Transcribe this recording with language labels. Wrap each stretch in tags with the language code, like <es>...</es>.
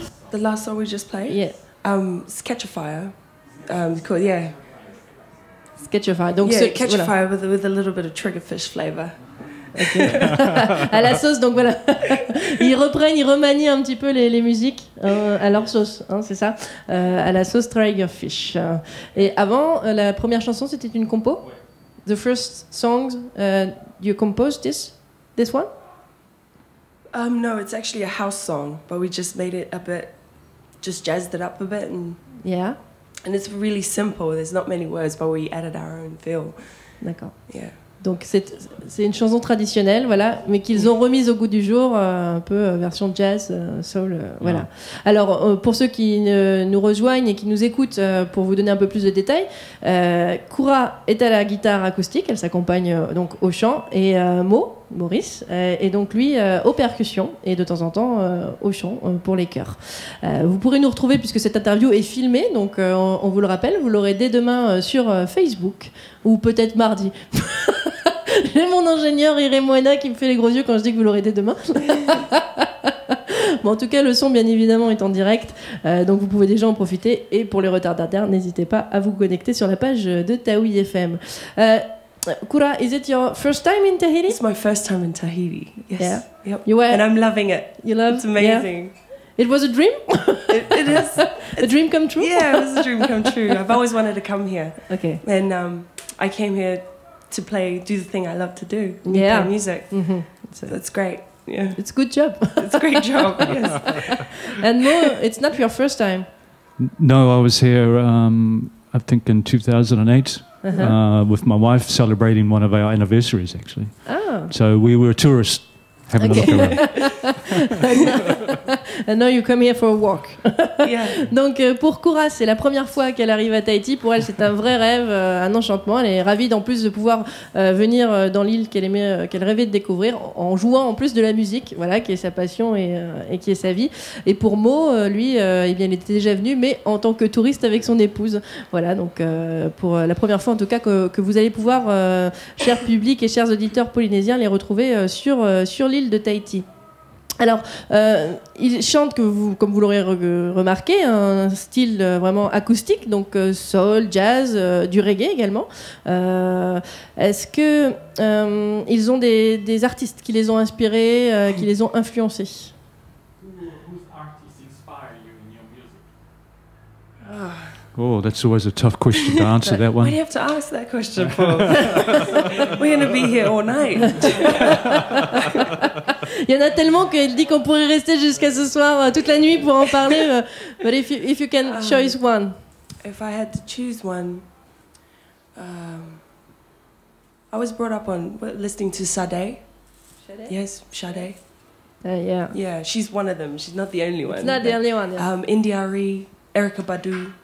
<en>The last song we just played? Yeah. Sketchfire. Cool, yeah. Sketchfire. Sketchfire with a little bit of Triggerfish flavor.</en> <fr>Okay. À la sauce, donc voilà. Ils remanient un petit peu les musiques à leur sauce, hein, c'est ça. À la sauce Trigger Fish. Et avant, la première chanson, c'était une compo. Ouais.</fr> <en>The first song you composed this one? No, it's actually a house song, but we just made it a bit, just jazzed it up a bit, and yeah. And it's really simple. There's not many words, but we added our own feel.</en> <fr>D'accord.</fr> <en>Yeah.</en> <fr>Donc c'est une chanson traditionnelle, voilà, mais qu'ils ont remise au goût du jour, un peu version jazz, soul, voilà. Ouais. Alors, pour ceux qui nous rejoignent et qui nous écoutent, pour vous donner un peu plus de détails, Koura est à la guitare acoustique, elle s'accompagne donc au chant, et Maurice, est donc lui aux percussions, et de temps en temps au chant pour les chœurs. Vous pourrez nous retrouver, puisque cette interview est filmée, donc on vous le rappelle, vous l'aurez dès demain sur Facebook, ou peut-être mardi. J'ai mon ingénieur Irée Moana qui me fait les gros yeux quand je dis que vous l'aurez dès demain. Bon, en tout cas, le son, bien évidemment, est en direct, donc vous pouvez déjà en profiter. Et pour les retardataires, n'hésitez pas à vous connecter sur la page de Taui FM.</fr> <en>Koura, is it your first time in Tahiti? It's my first time in Tahiti, yes. Yeah. Yep. You were? And I'm loving it. You love? It's amazing. Yeah. It was a dream? It is. A dream come true? Yeah, it was a dream come true. I've always wanted to come here. Okay. And I came here to play, do the thing I love to do. Yeah. Play music. Mm-hmm. That's great. Yeah. It's a good job. It's a great job, yes. And no, it's not your first time. No, I was here, I think, in 2008. Uh-huh. With my wife celebrating one of our anniversaries, actually. Oh. So we were tourists having okay. a look around. And now you come here for a walk. Yeah.</en> <fr>Donc pour Koura, c'est la première fois qu'elle arrive à Tahiti. Pour elle, c'est un vrai rêve, un enchantement. Elle est ravie en plus de pouvoir venir dans l'île qu'elle aimait, qu'elle rêvait de découvrir, en jouant en plus de la musique, voilà, qui est sa passion et qui est sa vie. Et pour Mo, lui, eh bien, il était déjà venu, mais en tant que touriste avec son épouse. Voilà, donc pour la première fois en tout cas que vous allez pouvoir, chers publics et chers auditeurs polynésiens, les retrouver sur l'île de Tahiti. Alors, ils chantent, comme vous l'aurez remarqué, un style vraiment acoustique, donc soul, jazz, du reggae également. Est-ce que ils ont des artistes qui les ont inspirés, qui les ont influencés?</fr> <en>Oh, that's always a tough question to answer, that one. Why do you have to ask that question, Paul? We're going to be here all night.</en> <fr>Il y en a tellement qu'elle dit qu'on pourrait rester jusqu'à ce soir, toute la nuit, pour en parler.</fr> <en>But if you can choose one. If I had to choose one, I was brought up on listening to Sade. Sade? Yes, Sade. Yeah. Yeah, she's one of them. She's not the only one. It's not the only one, yeah. Indiari, Erykah Badu.</en>